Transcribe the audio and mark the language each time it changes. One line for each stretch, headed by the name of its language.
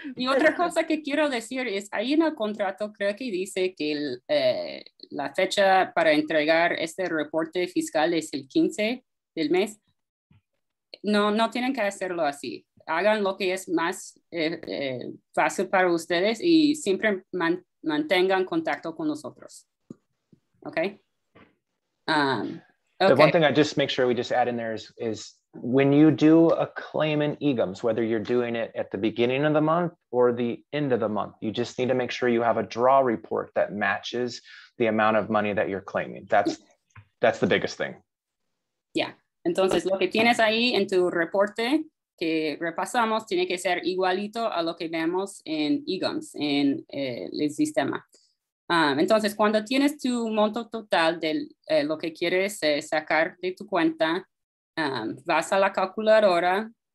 Spanish: Y otra cosa que quiero decir es, ahí en el contrato creo que dice que la fecha para entregar este reporte fiscal es el 15 del mes. No tienen que hacerlo así. Hagan lo que es más fácil para ustedes y siempre mantengan contacto con nosotros.
English: Okay? The one thing I just make sure we just add in there is when you do a claim in EGMs, whether you're doing it at the beginning of the month or the end of the month, you just need to make sure you have a draw report that matches the amount of money that you're claiming. That's the biggest thing. Yeah.
Spanish: Entonces, lo que tienes ahí en tu reporte que repasamos tiene que ser igualito a lo que vemos en EGMs, en el sistema. Entonces, cuando tienes tu monto total de lo que quieres sacar de tu cuenta, vas a la calculadora.